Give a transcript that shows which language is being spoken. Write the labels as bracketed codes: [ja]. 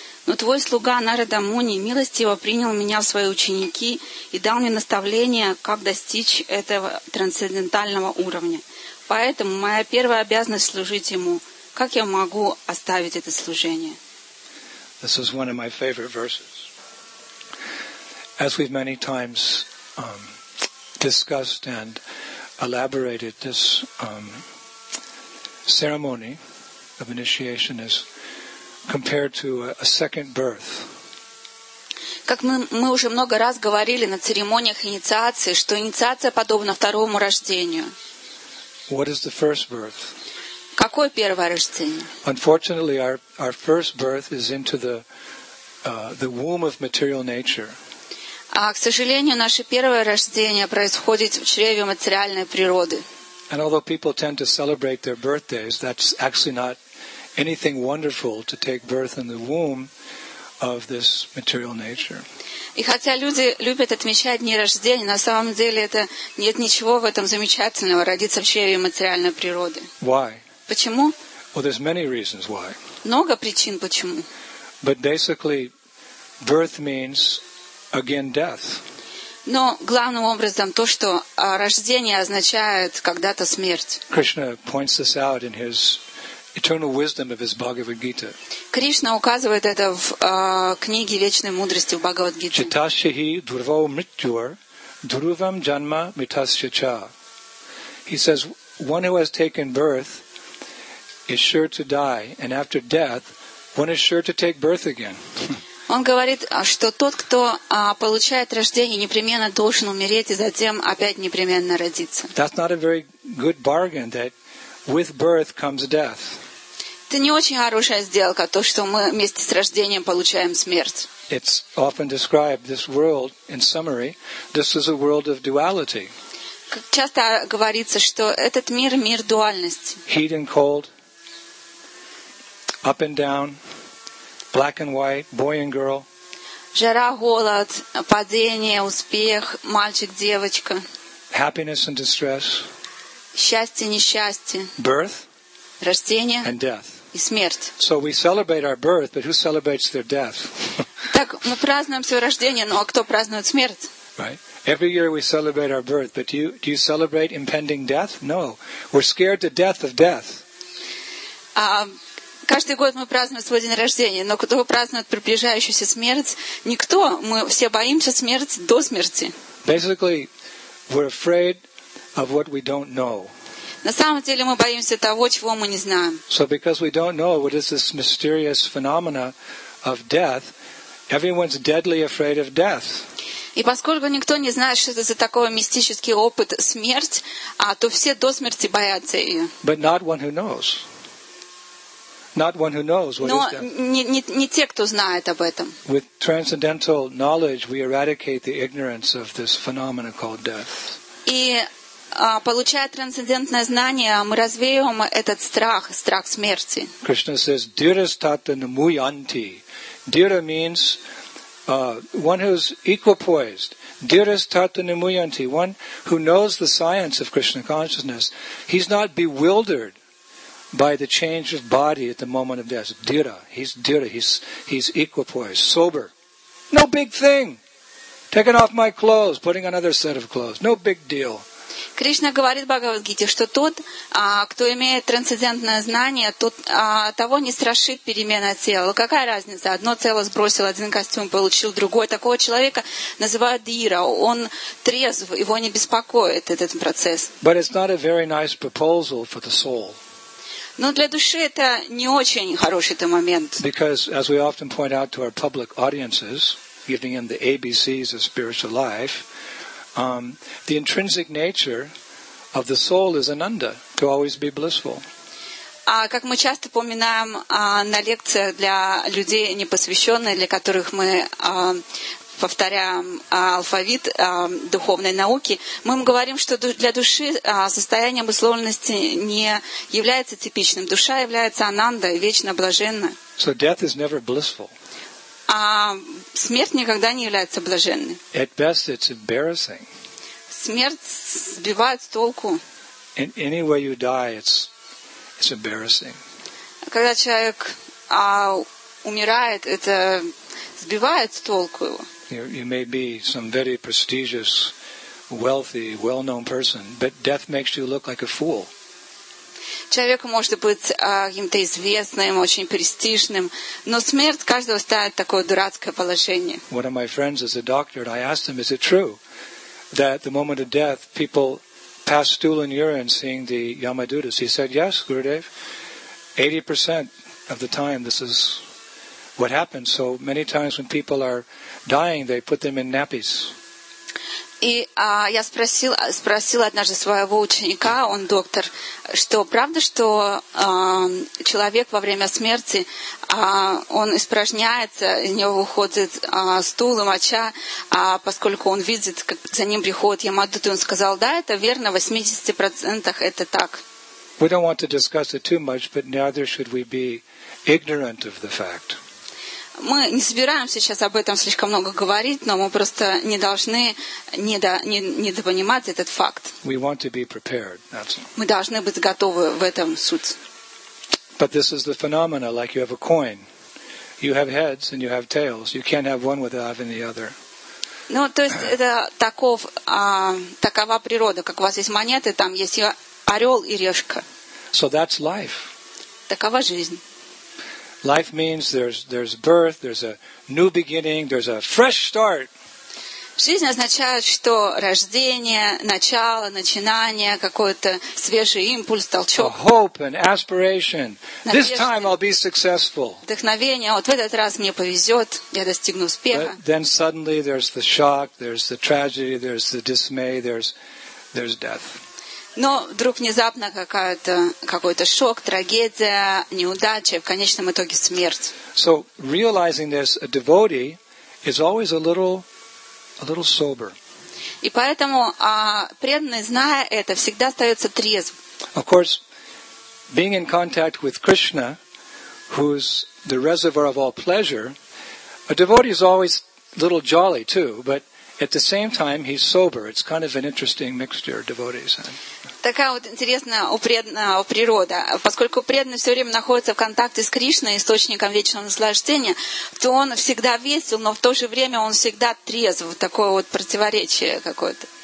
[ru] Но твой слуга Нарада Муни милостиво принял меня в свои ученики и дал мне наставление, как достичь этого трансцендентального уровня. Поэтому моя первая обязанность — служить ему. Как я могу оставить это служение? [en] This is one of my favorite verses. As we've many times discussed and elaborated, this ceremony of initiation is compared to a second birth. [ru] Как мы уже много раз говорили на церемониях инициации, что инициация подобна второму рождению. [en] What is the first birth? [ru] Какое первое рождение? [en] Unfortunately, our first birth is into the womb of material nature. [ru] А, к сожалению, наше первое рождение происходит в чреве материальной природы. [en] And although people tend to celebrate their birthdays, that's actually not anything wonderful to take birth in the womb of this material nature. [ru] И хотя люди любят отмечать дни рождения, на самом деле это нет ничего в этом замечательного — родиться в чреве материальной природы. [en] Why? [ru] Почему? [en] Well, there's many reasons why. [ru] Много причин почему. [en] But basically, birth means again death. [ru] Но главным образом то, что рождение означает когда-то смерть. [en] Krishna points this out in his eternal wisdom of his Bhagavad Gita. [ru] Кришна указывает это в книге Вечной мудрости в Бхагавад Гите. [sa] Читаще хи дурво мритюр дурвам джанма митасья ча. [en] He says, one who has taken birth is sure to die, and after death, one is sure to take birth again. [ru] Он говорит, что тот, кто получает рождение, непременно должен умереть и затем опять непременно родиться. [en] That's not a very good bargain that with birth comes death. [ru] Это не очень хорошая сделка, то, что мы вместе с рождением получаем смерть. [en] It's often described, this world, in summary, this is a world of duality. [ru] Как часто говорится, что этот мир — мир дуальности. [en] Heat and cold, up and down, black and white, boy and girl. [ru] Жара, холод, падение, успех, мальчик, девочка. [en] Happiness and distress. [ru] Счастье, несчастье. [en] Birth, [ru] рождение, [en] and death. [ru] И смерть. [en] So we celebrate our birth, but who celebrates their death? [ru] Так мы празднуем своё рождение, но кто празднует смерть? [en] Right. Every year we celebrate our birth, but do you celebrate impending death? No. We're scared to death of death. [ru] Каждый год мы празднуем свой день рождения, но кто празднует приближающуюся смерть? Никто. Мы все боимся смерти до смерти. [en] Basically, we're afraid of what we don't know. [ru] На самом деле мы боимся того, чего мы не знаем. [en] So because we don't know what is this mysterious phenomena of death, everyone's deadly afraid of death. [ru] И поскольку никто не знает, что это за такой мистический опыт смерть, то все до смерти боятся ее. [en] But not one who knows. Not one who knows what is death. [ru] Не те, кто знает об этом. [en] With transcendental knowledge, we eradicate the ignorance of this phenomenon called death. [ru] И получая трансцендентное знание, мы развеем этот страх, страх смерти. [en] Krishna says, [sa] "Dhirastata namuyanti." [en] Dhira means one who's equipoised. [sa] Dhirastata namuyanti, [en] one who knows the science of Krishna consciousness. He's not bewildered by the change of body at the moment of death. Dhira. He's equipoised, sober. No big thing. Taking off my clothes, putting another set of clothes. No big deal. [ru] Кришна говорит Бхагавад-гите, что тот, кто имеет трансцендентное знание, тот, того не страшит перемена тела. Какая разница? Одно тело сбросил, один костюм получил, другой. Такого человека называют Дира. Он трезв, его не беспокоит этот процесс. [en] But it's not a very nice proposal for the soul. [ru] Но для души это не очень хороший момент. [en] Because, as we often point out to our public audiences, giving them the ABCs of spiritual life, the intrinsic nature of the soul is ananda, to always be blissful. [ru] Как мы часто упоминаем на лекциях для людей непосвященных, для которых мы повторяем алфавит духовной науки, мы им говорим, что для души состояние обусловленности не является типичным. Душа является ананда, вечно блаженна. [en] So death is never blissful. [ru] А смерть никогда не является блаженной. [en] At best, it's embarrassing. [ru] Смерть сбивает с толку. [en] In any way you die, it's embarrassing. [ru] Когда человек умирает, это сбивает с толку его. [en] You may be some very prestigious, wealthy, well-known person, but death makes you look like a fool. [ru] Человек может быть каким-то известным, очень престижным, но смерть каждого ставит такое дурацкое положение. [en] One of my friends is a doctor, and I asked him, is it true that the moment of death, people pass stool and urine seeing the Yamadutas? He said, yes, Gurudev. 80% of the time, this is what happens. So many times when people are dying, they put them in nappies. [ru] И я спросил однажды своего ученика, он доктор, что правда, что человек во время смерти, он испражняется, из него выходит стул и моча, поскольку он видит, как за ним приходит Ямадут, и он сказал, да, это верно, в 80% это так. [en] We don't want to discuss it too much, but neither should we be ignorant of the fact. [ru] Мы не собираемся сейчас об этом слишком много говорить, но мы просто не должны недопонимать этот факт. [en] We want to be prepared, that's all. [ru] Мы должны быть готовы в этом суть. [en] But this is the phenomena, like you have a coin. You have heads and you have tails. You can't have one without having the other. [ru] Ну, то есть это такова природа, как у вас есть монеты, там есть орел и решка. [en] So that's life. [ru] Такова жизнь. [en] Life means there's birth, there's a new beginning, there's a fresh start. [ru] Жизнь означает, что рождение, начало, начинание, какой-то свежий импульс, толчок. [en] A hope and aspiration. [ru] Надежда. [en] This time I'll be successful. [ru] Вдохновение. Вот в этот раз мне повезет, я достигну успеха. [en] But then suddenly there's the shock, there's the tragedy, there's the dismay, there's death. [ru] Но вдруг внезапно какой-то шок, трагедия, неудача, в конечном итоге смерть. [en] So realizing this, a devotee is always a little sober. [ru] И поэтому преданный, зная это, всегда остается трезв. [en] Of course, being in contact with Krishna, who's the reservoir of all pleasure, a devotee is always a little jolly too, but at the same time he's sober. It's kind of an interesting mixture, devotees. [ru] Такая вот интересная у преданного природа. Поскольку преданный все время находится в контакте с Кришной, источником вечного наслаждения, то он всегда весел, но в то же время он всегда трезв. Такое вот противоречие какое-то.